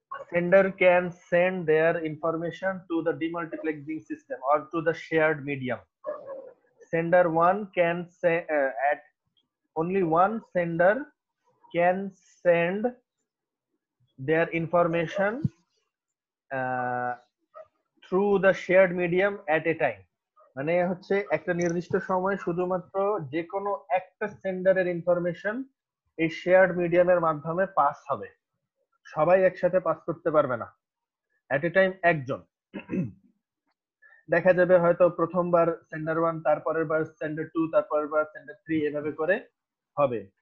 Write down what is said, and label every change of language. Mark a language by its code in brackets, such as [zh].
[en] sender can send their information to the demultiplexing system or to the shared medium. Sender 1 can say at only one sender can send their information through the shared medium at a time. [bn] মানে হচ্ছে একটা নির্দিষ্ট সময় শুধুমাত্র যে কোনো একটা sender এর information এই shared medium এর মাধ্যমে পাস হবে, সবাই একসাথে পাস করতে পারবে না, এট এ টাইম একজন। দেখা যাবে হয়তো প্রথমবার সেন্ডার ওয়ান, তারপরের বার সেন্ডার টু, তারপরের বার সেন্ডার থ্রি, এভাবে করে হবে।